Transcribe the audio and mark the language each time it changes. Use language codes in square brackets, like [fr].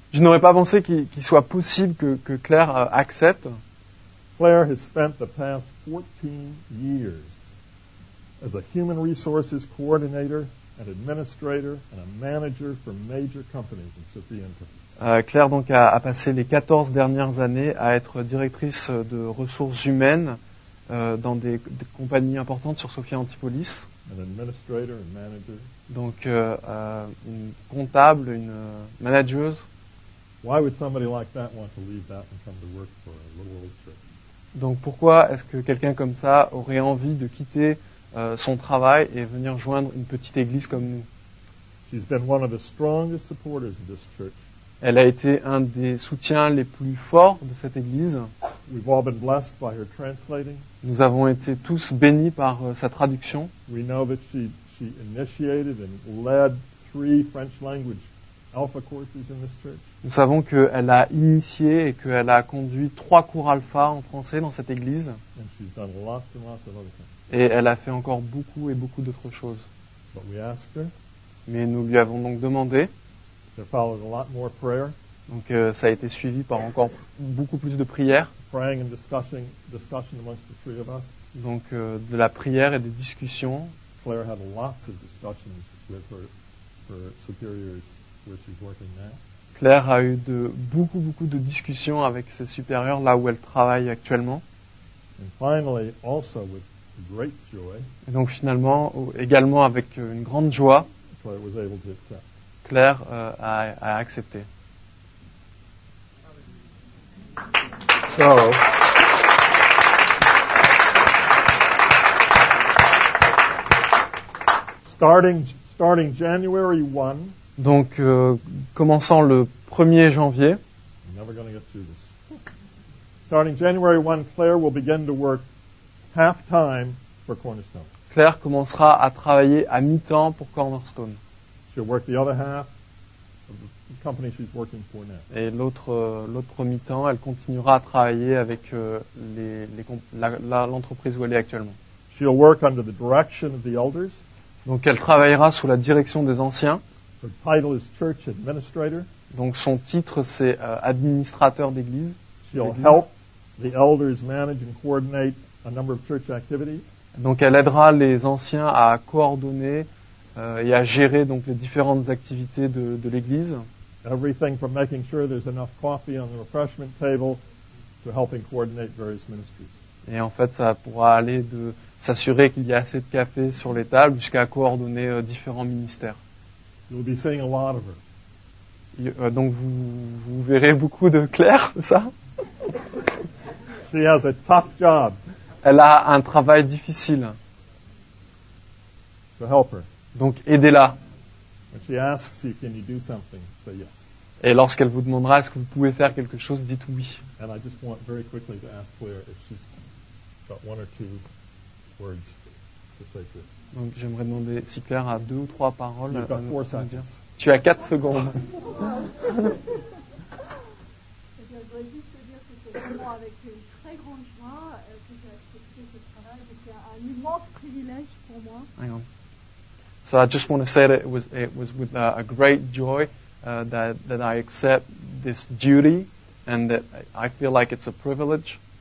[fr] Je n'aurais pas pensé qu'il soit possible que Claire accepte. [en] Claire has spent the past 14 years as a human resources coordinator, an administrator and a manager for major companies in Sophia and Turkey. [fr] Claire donc a passé les 14 dernières années à être directrice de ressources humaines dans des compagnies importantes sur Sophia Antipolis. [en] An administrator and manager. [fr] Donc une comptable, une manageuse. [en] Why would somebody like that want to leave that and come to work for a little old church? [fr] Donc pourquoi est-ce que quelqu'un comme ça aurait envie de quitter son travail et venir joindre une petite église comme nous? [en] She's been one of the strongest supporters of this church. [fr] Elle a été un des soutiens les plus forts de cette église. [en] We've all been blessed by her translating. [fr] Nous avons été tous bénis par sa traduction. [en] We know that she initiated and led three French language alpha courses in this church. [fr] Nous savons qu'elle a initié et qu'elle a conduit trois cours alpha en français dans cette église. [en] And she's done lots and lots of other things. [fr] Et elle a fait encore beaucoup et beaucoup d'autres choses. [en] But we asked her. [fr] Mais nous lui avons donc demandé. [en] Followed a lot more prayer. [fr] Donc ça a été suivi par encore beaucoup plus de prières. [en] Praying and discussion amongst the three of us. [fr] Donc de la prière et des discussions. [en] Claire had lots of discussions with her superiors where she's working now. [fr] Claire a eu beaucoup de discussions avec ses supérieurs là où elle travaille actuellement. [en] And finally, also with great joy. [fr] Et donc finalement également avec une grande joie. [en] Claire was able to accept. [fr] Claire a accepté. [en] So, starting January 1. [fr] Donc, commençant le 1er janvier. [en] I'm never going to get through this. Starting January 1, Claire will begin to work half-time for Cornerstone. [fr] Claire commencera à travailler à mi-temps pour Cornerstone. [en] She'll work the other half. The company she's working for now. [fr] Et l'autre mi-temps, elle continuera à travailler avec l'entreprise où elle est actuellement. [en] She'll work under the direction of the elders. [fr] Donc elle travaillera sous la direction des anciens. [en] Her title is church administrator. [fr] Donc son titre, c'est administrateur d'église. [en] She'll help the elders manage and coordinate a number of church activities. [fr] Donc elle aidera les anciens à coordonner et à gérer donc les différentes activités de l'église. [en] Everything from making sure there's enough coffee on the refreshment table to helping coordinate various ministries. [fr] Et en fait, ça pourra aller de s'assurer qu'il y a assez de café sur les tables jusqu'à coordonner différents ministères. [en] You'll be seeing a lot of her. [fr] Donc vous verrez beaucoup de Claire, c'est ça? [en] She has a tough job. [fr] Elle a un travail difficile. [en] So help her. [fr] Donc aidez-la. [en] When she asks you, can you do something, say yes. [fr] Et lorsqu'elle vous demandera est-ce que vous pouvez faire quelque chose, dites oui. [en] And I just want very quickly to ask Claire if she's got one or two words to say to us. [fr] Donc j'aimerais demander si Claire a deux ou trois paroles. [en] You've got 4 seconds. [fr] Tu as 4 secondes. Je voudrais juste te dire que c'est vraiment avec une très grande joie que j'ai accepté ce travail, et c'est un immense privilège pour moi. [en] Hang on. So I just want to say that it was with a great joy that I accept this duty, and that I feel like it's a privilege.